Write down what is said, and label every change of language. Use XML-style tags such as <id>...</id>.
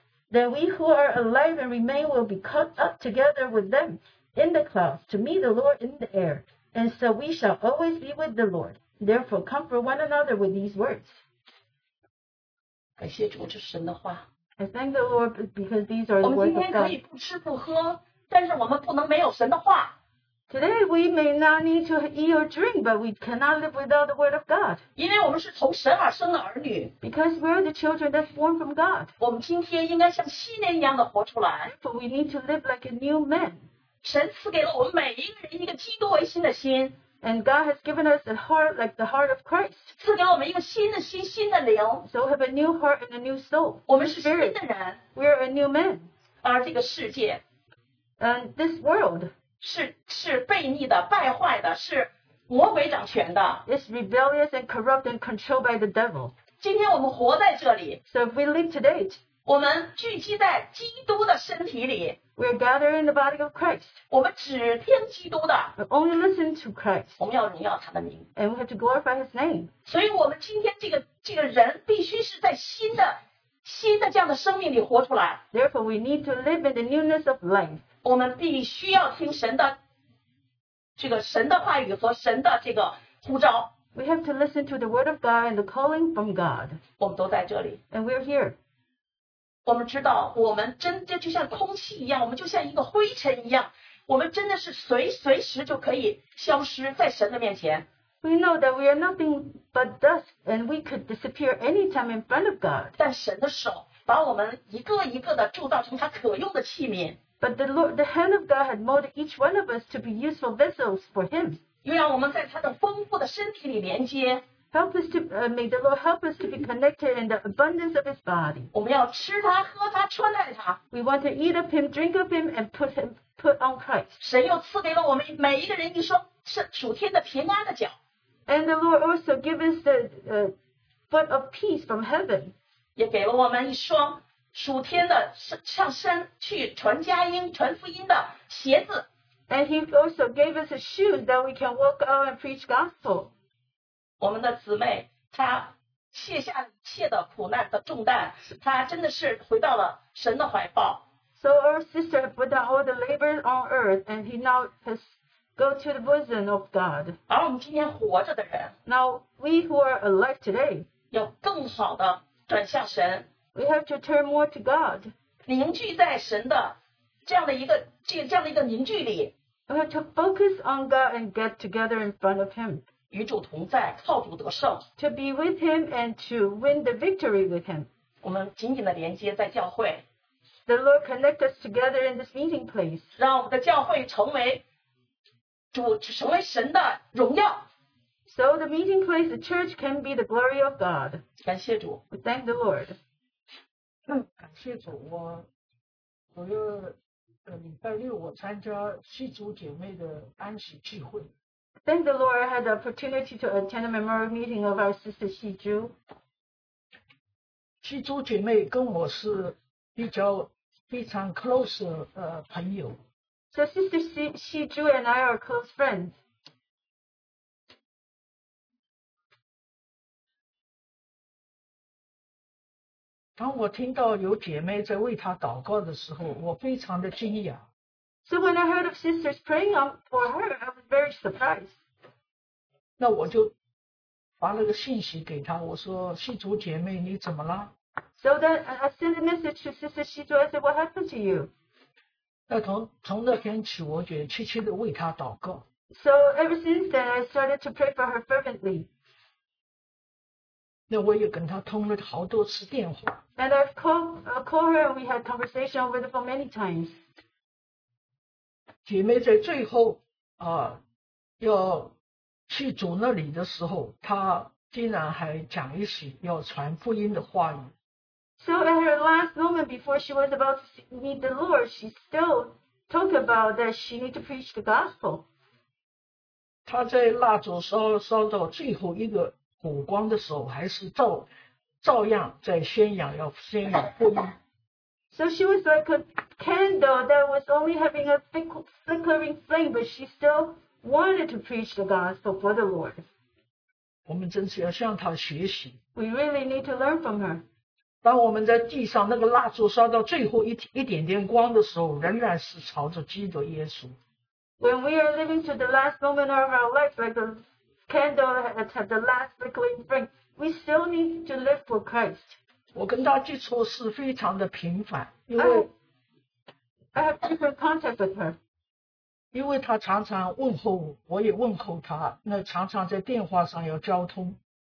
<en>Then we who are alive and remain will be caught up together with them in the clouds to meet the Lord in the air, and so we shall always be with the Lord. Therefore comfort one another with these words.</en> <zh>感谢主，这是神的话。</zh> <en>I thank the Lord because these are the words of God.</en> <zh>我们今天可以不吃不喝，但是我们不能没有神的话。</zh> <en>Today we may not need to eat or drink, but we cannot live without the word of God.</en> <zh>因为我们是从神而生的儿女。</zh> <en>Because we are the children that's born from God.</en> <zh>我们今天应该像新人一样的活出来。</zh> <en>For we need to live like a new man.</en> <zh>神赐给了我们每一个人一个基督为心的心。</zh> <en>And God has given us a heart like the heart of Christ.</en> <zh>赐给我们一个新的心，新的灵。</zh> <en>So have a new heart and a new soul.</en> <zh>我们是新的人。</zh> <en>We are a new man.</en> <zh>而这个世界</zh> <en>，and this world</en> <zh>是悖逆的、败坏的，是魔鬼掌权的。</zh> <en>It's rebellious and corrupt and controlled by the devil.</en> <zh>今天我们活在这里。</zh> <en>So if we live today,</en> <zh>我们聚集在基督的身体里。</zh> <en>We are gathered in the body of Christ.</en> <zh>我们只听基督的。</zh> <en>We only listen to Christ.</en> <zh>我们要荣耀他的名。</zh> <en>And we have to glorify His name.</en> <zh>所以我们今天这个人必须是在新的这样的生命里活出来。</zh> <en>Therefore, we need to live in the newness of life.</en> <zh>我们必须要听神的话语和神的这个呼召。</zh> <en>We have to listen to the word of God and the calling from God.</en> <zh>我们都在这里。</zh> <en>And we are here.</en> <zh>我们知道我们真的就像空气一样，我们就像一个灰尘一样，我们真的是随时就可以消失在神的面前。</zh> <en>We know that we are nothing but dust and we could disappear anytime in front of God.</en> <zh>但神的手把我们一个一个的铸造成他可用的器皿。</zh> <en>But the hand of God had molded each one of us to be useful vessels for him.</en> <zh>又让我们在他的丰富的身体里连接。</zh> <en>Help us to, may the Lord help us to be connected in the abundance of His body.</en> <zh>我们要吃他，喝他，穿戴他。</zh> <en>We want to eat of Him, drink of Him, and put on Christ.</en> <zh>神又赐给了我们每一个人一双属天的平安的脚。</zh> <en>And the Lord also gave us the foot of peace from heaven.</en> <zh>也给了我们一双属天的上身去传佳音、传福音的鞋子。</zh> <en>And He also gave us a shoe that we can walk out and preach gospel.</en> <zh>我们的姊妹她卸下一切的苦难的重担，她真的是回到了神的怀抱。</zh> <en>So our sister put down all the labor on earth and he now has go to the bosom of God.</en> <zh>而我们今天活着的人</zh> <en>Now we who are alive today</en> <zh>要更好的转向神。</zh> <en>We have to turn more to God.</en> <zh>凝聚在神的这样的一个凝聚力。</zh> <en>We have to focus on God and get together in front of him.</en> <zh>与主同在，靠主得胜。</zh> <en>To be with him and to win the victory with him.</en> <zh>我们紧紧的连接在教会。</zh> <en>The Lord connect us together in this meeting place.</en> <zh>让我们的教会成为主，成为神的荣耀。</zh> <en>So the meeting place, the church can be the glory of God.</en> <zh>感谢主。</zh> <en>We thank the Lord.</en> <zh>感谢主，我要礼拜六我参加西竹姐妹的安息聚会。</zh> <en>Thank the Lord, I had the opportunity to attend a memorial meeting of our sister Xi Zhu.</en> <zh>Xi Zhu 姐妹跟我是比较非常 close 的朋友。</zh> <en>So sister Xi Zhu and I are close friends.</en> <zh>当我听到有姐妹在为她祷告的时候，我非常的惊讶。</zh> <en>So when I heard of sisters praying for her, I was very surprised.</en> <zh>那我就发了个信息给她，我说：“细竹姐妹，你怎么了？”</zh> <en>So then I sent a message to sister Xi Zhu. I said, "What happened to you?"</en> <zh>那从那天起，我就切切的为她祷告。</zh> <en>So ever since then, I started to pray for her fervently.</en> <zh>那我也跟她通了好多次电话。</zh> <en>And I've called her, and we had conversation over the phone many times.</en> <zh>姐妹在最后要去主那里的时候，她竟然还讲一些要传福音的话语。</zh> <en>So at her last moment before she was about to meet the Lord, she still talked about that she needed to preach the gospel.</en> <zh>她在蜡烛烧到最后一个火光的时候，还是照样在宣扬福音。</zh> <en>So she was like a candle that was only having a flickering flame, but she still wanted to preach the gospel for the Lord.</en> <zh>我们真是要向她学习。</zh> <en>We really need to learn from her.</en> <zh>当我们在地上那个蜡烛烧到最后一点点光的时候，仍然是朝着基督耶稣。</zh> <en>When we are living to the last moment of our life, like a candle that has the last flickering flame, we still need to live for Christ.</en> <zh>我跟他接触是非常的频繁，因为</zh> <en>I have frequent contact with her.</en> <zh>因为他常常问候我，我也问候他，那常常在电话上要交通。</zh>